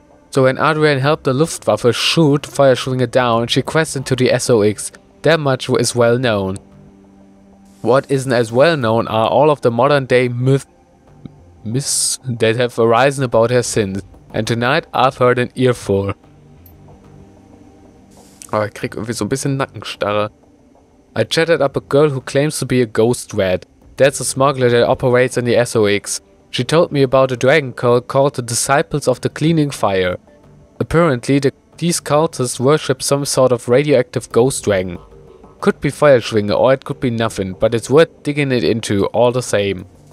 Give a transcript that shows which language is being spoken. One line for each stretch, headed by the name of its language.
English: So when Adrian helped the Luftwaffe shoot Feuerschwinge down, she crashed into the SOX. That much is well known. What isn't as well known are all of the modern day myths that have arisen about her sins. And tonight I've heard an earful.
German: Oh, ich krieg irgendwie so ein bisschen Nackenstarre.
English: I chatted up a girl who claims to be a ghost rat. That's a smuggler that operates in the SOX. She told me about a dragon cult called the Disciples of the Cleaning Fire. Apparently, these cultists worship some sort of radioactive ghost dragon. Could be Feuerschwinge or it could be nothing, but it's worth digging it into all the same.